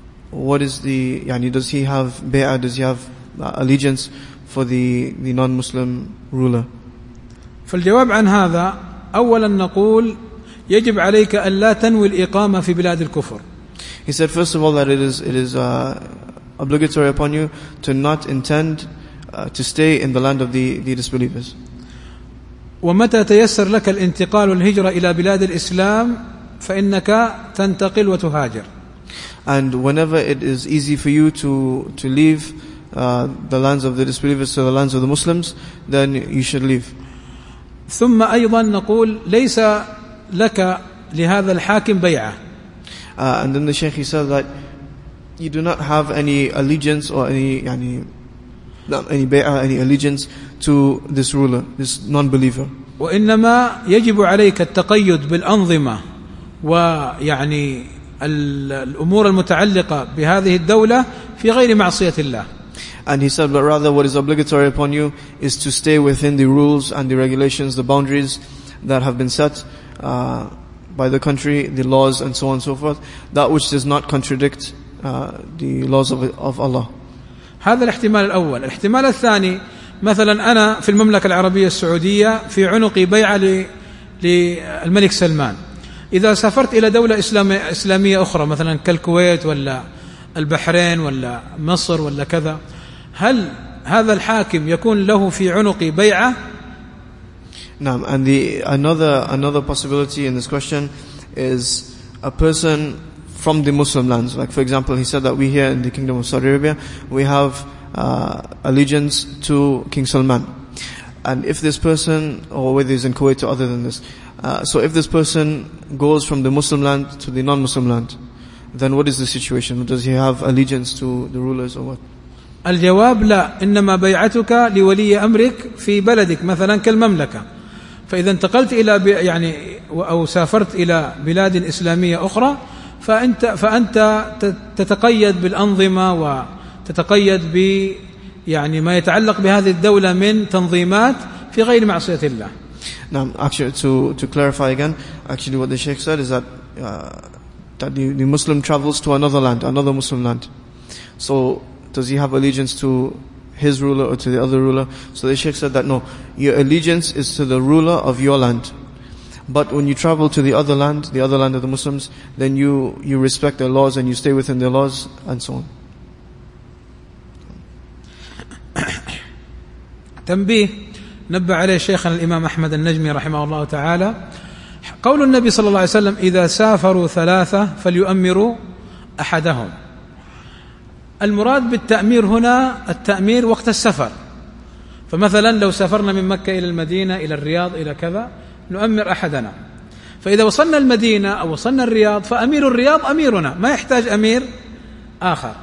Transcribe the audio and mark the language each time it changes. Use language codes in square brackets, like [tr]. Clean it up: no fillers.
[en] What is the, yani does he have bay'ah, does he have allegiance for the non-Muslim ruler? [ar] فالجواب عن هذا, أولا نقول يجب عليك أن لا تنوي الإقامة في بلاد الكفر. [en] He said first of all that it is obligatory upon you to not intend to stay in the land of the disbelievers. [ar] ومتى تيسر لك الانتقال والهجرة إلى بلاد الإسلام فإنك تنتقل وتهاجر. [en] And whenever it is easy for you to leave the lands of the disbelievers to the lands of the Muslims, then you should leave. [ar] ثم أيضا نقول ليس لك لهذا الحاكم بيعة. [en] And then the Sheikh, he said that you do not have any allegiance or any, يعني any bay'ah, any allegiance to this ruler, this non-believer. [ar] وإنما يجب عليك التقيد بالأنظمة ويعني الأمور المتعلقة بهذه الدولة في غير معصية الله. And he said, but rather what is obligatory upon you is to stay within the rules and the regulations, the boundaries that have been set by the country, the laws and so on and so forth, that which does not contradict the laws of Allah. هذا الاحتمال الأول. الاحتمال الثاني, مثلا أنا في المملكة العربية السعودية في عنقي بيعة للملك سلمان, إذا سافرت إلى دولة إسلامية أخرى مثلا كالكويت ولا البحرين ولا مصر ولا كذا, هل هذا الحاكم يكون له في عنقي بيعة؟ نعم. [en] And another possibility in this question is a person from the Muslim lands. Like for example, he said that we here in the Kingdom of Saudi Arabia, we have allegiance to King Salman. And if this person, or whether he's in Kuwait or other than this, so if this person goes from the Muslim land to the non-Muslim land, then what is the situation? Does he have allegiance to the rulers or what? [ar] الجواب لا, إنما بيعتك لولي أمرك في بلدك مثلا كالمملكة. فإذا انتقلت إلى يعني أو سافرت إلى بلاد إسلامية أخرى, فأنت تتقيد بالأنظمة وتتقيد ب يعني ما يتعلق بهذه الدولة من تنظيمات في غير معصية الله. [en] Now, actually, to clarify again, actually what the Sheikh said is that that the Muslim travels to another land, another Muslim land. So does he have allegiance to his ruler or to the other ruler? So the Sheikh said that no, your allegiance is to the ruler of your land. But when you travel to the other land of the Muslims, then you respect their laws and you stay within their laws and so on. [ar] تنبيه نبه عليه شيخنا الإمام أحمد النجمي رحمه الله تعالى قول النبي صلى الله عليه وسلم إذا سافروا ثلاثة فليؤمروا أحدهم. المراد بالتأمير هنا التأمير وقت السفر. فمثلا لو سافرنا من مكة إلى المدينة إلى الرياض إلى كذا نؤمر أحدنا، فإذا وصلنا المدينة أو وصلنا الرياض فأمير الرياض أميرنا، ما يحتاج أمير آخر.